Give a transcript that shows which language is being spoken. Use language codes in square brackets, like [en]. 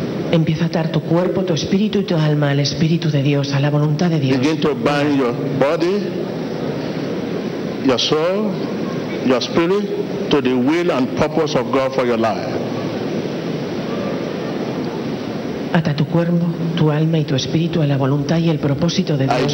[es] Empieza a atar tu cuerpo, tu espíritu y tu alma al espíritu de Dios, a la voluntad de Dios. [en] Begin to bind your body, your soul, your spirit to the will and purpose of God for your life. [es] Ata tu cuerpo, tu alma y tu espíritu a la voluntad y el propósito de Dios.